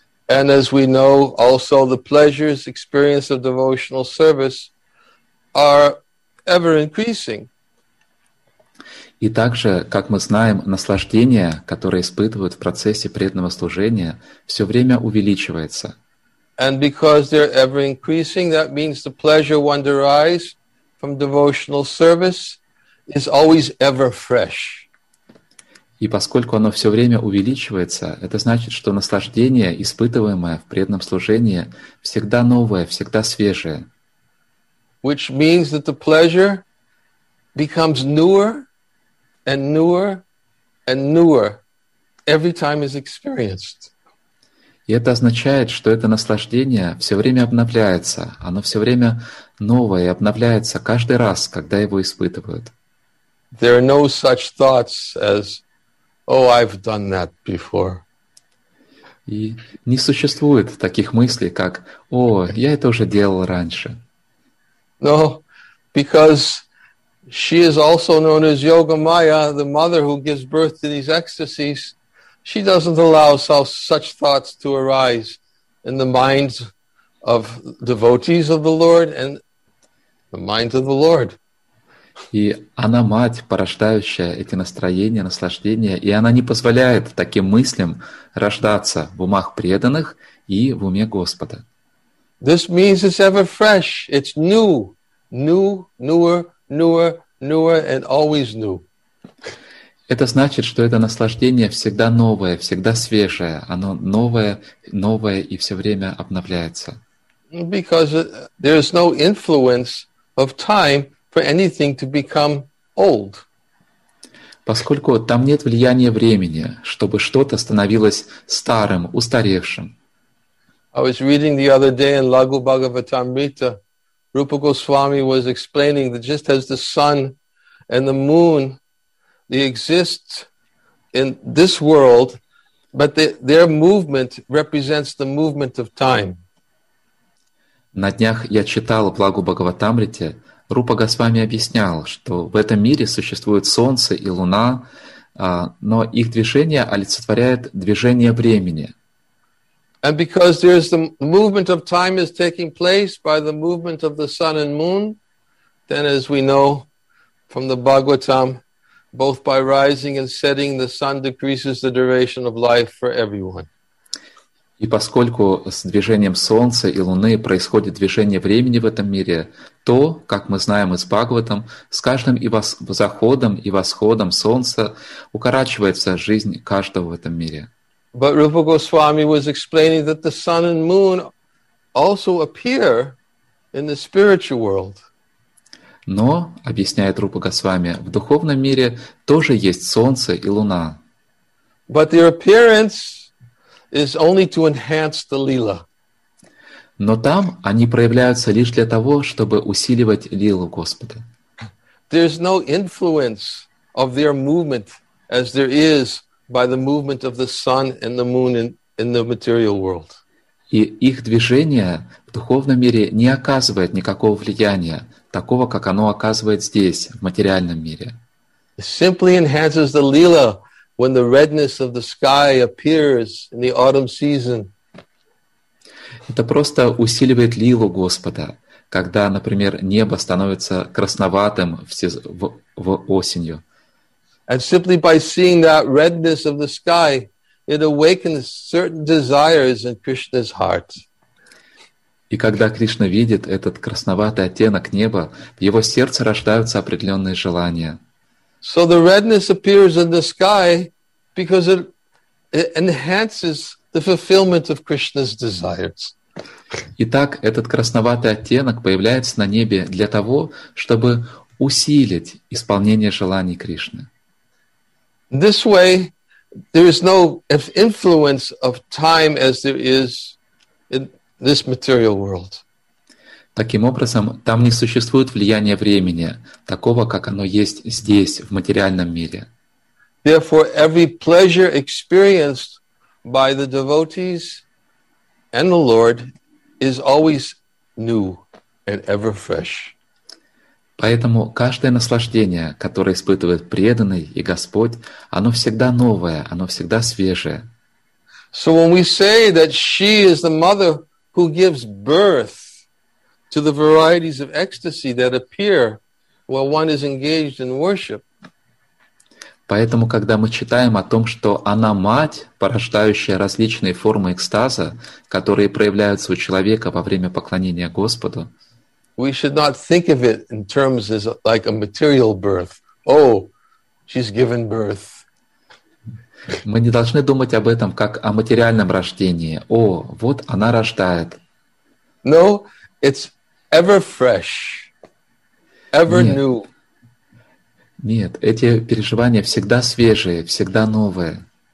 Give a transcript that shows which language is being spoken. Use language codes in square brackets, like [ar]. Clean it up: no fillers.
[en] And as we know, also the pleasures experienced of devotional service are ever increasing. [ru] И также, как мы знаем, наслаждение, которое испытывают в процессе преданного служения, все время увеличивается. [en] And because they're ever increasing, that means the pleasure one derives from devotional service is always ever fresh. [ru] И поскольку оно все время увеличивается, это значит, что наслаждение, испытываемое в преданном служении, всегда новое, всегда свежее. [en] Which means that the pleasure becomes newer and newer and newer every time it's experienced. [ru] И это означает, что это наслаждение все время обновляется, оно все время новое и обновляется каждый раз, когда его испытывают. [en] There are no such thoughts as oh, I've done that before. [ru] И не существует таких мыслей, как «О, я это уже делал раньше». [en] No, because she is also known as Yoga Maya, the mother who gives birth to these ecstasies. She doesn't allow such thoughts to arise in the minds of devotees of the Lord and the minds of the Lord. [ru] И она мать, порождающая эти настроения, наслаждения, и она не позволяет таким мыслям рождаться в умах преданных и в уме Господа. [en] This means it's ever fresh, it's new, new, newer, newer, newer, and always new. [ru] Это значит, что это наслаждение всегда новое, всегда свежее, оно новое, новое и все время обновляется. [en] Because there is no influence of time for anything to become old. [ru] Поскольку там нет влияния времени, чтобы что-то становилось старым, устаревшим. [en] I was reading the other day in Laghu Bhagavatamrita, Rupa Goswami was explaining that just as the sun and the moon, they exist in this world, but their movement represents the movement of time. [ru] На днях я читал в Лагу Бхагаватамрите, Рупа Госвами объяснял, что в этом мире существует солнце и луна, но их движение олицетворяет движение времени. [en] And because there is the movement of time is taking place by the movement of the sun and moon, then as we know from the Bhagavatam, both by rising and setting, the sun decreases the duration of life for everyone. [ru] И поскольку с движением Солнца и Луны происходит движение времени в этом мире, то, как мы знаем из Бхагаватам, с каждым и заходом, и восходом Солнца укорачивается жизнь каждого в этом мире. [en] But Rupa Goswami was explaining that the sun and moon also appear in the spiritual world. [ru] Но, объясняет Рупа Госвами, в духовном мире тоже есть Солнце и Луна. [en] But their appearance is only to enhance the лила. [ru] Но там они проявляются лишь для того, чтобы усиливать лилу Господа. [en] There's no influence of their movement as there is by the movement of the sun and the moon in the material world. [ru] И их движение в духовном мире не оказывает никакого влияния, такого, как оно оказывает здесь, в материальном мире. [en] It simply enhances the lila when the redness of the sky appears in the autumn season. [ru] Это просто усиливает лилу Господа, когда, например, небо становится красноватым в осенью. [en] And simply by seeing that redness of the sky, it awakens certain desires in Krishna's heart. [ru] И когда Кришна видит этот красноватый оттенок неба, в его сердце рождаются определенные желания. [en] So the redness appears in the sky because it enhances the fulfillment of Krishna's desires. [ru] Итак, этот красноватый оттенок появляется на небе для того, чтобы усилить исполнение желаний Кришны. [en] This way, there is no influence of time as there is in this material world. [ru] Таким образом, там не существует влияния времени, такого, как оно есть здесь, в материальном мире. [en] Therefore, every pleasure experienced by the devotees and the Lord is always new and ever fresh. [ru] Поэтому каждое наслаждение, которое испытывает преданный и Господь, оно всегда новое, оно всегда свежее. [en] So when we say that she is the mother who gives birth to the varieties of ecstasy that appear while one is engaged in worship. [ru] Поэтому, когда мы читаем о том, что она мать, порождающая различные формы экстаза, которые проявляются у человека во время поклонения Господу, [en] we should not think of it in terms as like a material birth. Oh, she's given birth. [ru] Мы не должны думать об этом как о материальном рождении. О, вот она рождает. [en] No, it's ever fresh, ever [ru] Нет. [en] New. [ru] Нет, эти переживания всегда свежие, всегда новые.